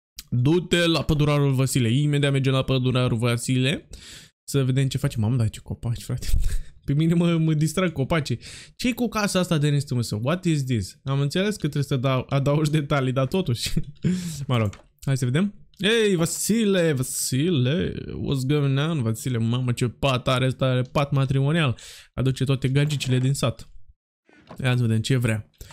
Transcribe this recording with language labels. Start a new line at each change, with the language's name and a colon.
Romanian: Du-te la pădurarul Vasile. Imediat mergem la pădurarul Vasile. Să vedem ce facem. Mamă, dar ce copaci, frate. Pe mine mă distrag copaci. Ce-i cu casa asta de nestemusă?
English: What is this?
Romanian: Am înțeles că trebuie să adaugi detalii, dar totuși. Mă rog, hai să vedem.
English: Ei, Vasile, what's going on, Vasile?
Romanian: Mamă, ce pat are ăsta, are pat matrimonial. Aduce toate gagicile din sat. Ia să vedem ce vrea.